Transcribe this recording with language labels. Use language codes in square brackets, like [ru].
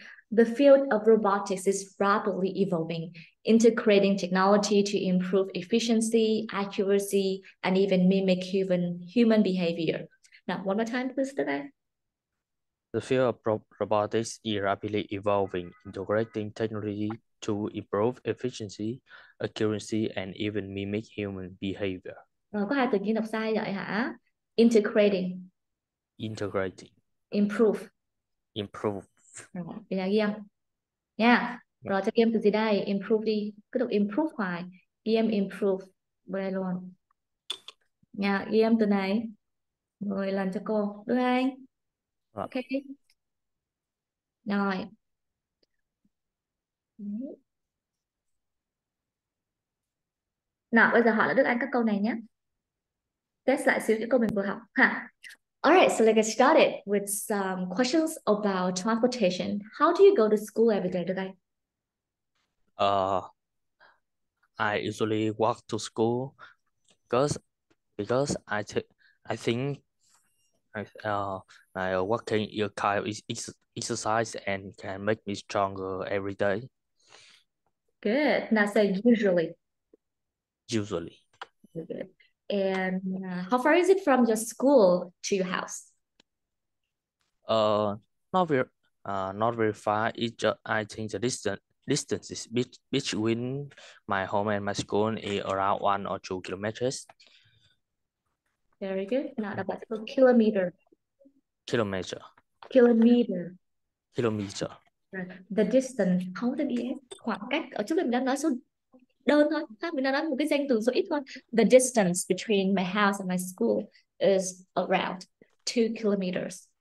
[en] The field of robotics is rapidly evolving, integrating technology to improve efficiency, accuracy, and even mimic human behavior. Now, one more time, please, today. The field of robotics is rapidly evolving, integrating technology to improve efficiency, accuracy, and even mimic human behavior. [vi] Có hai từ kia đọc sai vậy hả? [en] Integrating. Improve. [vi] Bây giờ ghi âm. Yeah. Rồi cho ghi âm từ gì đây? Improve đi. Cứ đọc improve hoài. Ghi âm improve. Bây luôn. Yeah, ghi âm từ này. Rồi lần cho cô. Đúng không? Okay. Rồi. Nào, bây giờ hỏi là Đức Anh các câu này nhé. Test lại xíu những câu mình vừa học. Ha. [en] All right, so let's get started with some questions about transportation. How do you go to school every day, Đức Anh? I usually walk to school because I think walking is a kind of exercise and can make me stronger every day. Good. Now say usually. Usually. And how far is it from your school to your house? Not very far. It's just, I think the distance is between my home and my school is around 1 or 2 kilometers. Very good. Now about a kilometer. Kilometer. The distance, how to be [vi] khoảng cách. Ở trước đây mình đã nói số đơn thôi. Mình đã nói một cái danh từ số ít thôi. [en] The distance between my house and my school is around 2 kilometers.